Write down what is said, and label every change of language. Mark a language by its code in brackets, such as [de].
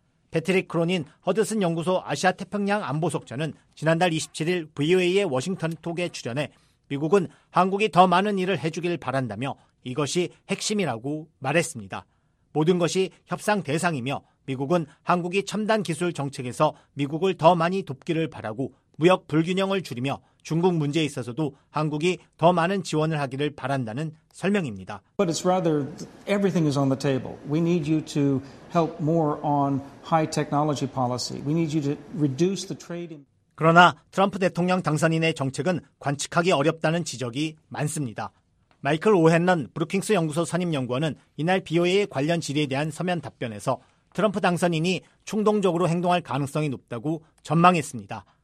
[ko] 패트릭 크로닌 허드슨 연구소 아시아태평양 안보석좌는 지난달 27일 VOA의 워싱턴 톡에 출연해 미국은 한국이 더 많은 일을 해주길 바란다며 이것이 핵심이라고 말했습니다. 모든 것이 협상 대상이며 미국은 한국이 첨단 기술 정책에서 미국을 더 많이 돕기를 바라고 무역 불균형을 줄이며 중국 문제에 있어서도 한국이 더 많은 지원을 하기를 바란다는 설명입니다. [en] But it's rather everything is on the table. We need you to help more on high technology policy. We need you to reduce the trade in [ko] 그러나 트럼프 대통령 당선인의 정책은 관측하기 어렵다는 지적이 많습니다. 마이클 오헨런 브루킹스 연구소 선임 연구원은 이날 BOE 관련 질의에 대한 서면 답변에서 트럼프 당선인이 충동적으로 행동할 가능성이 높다고 전망했습니다.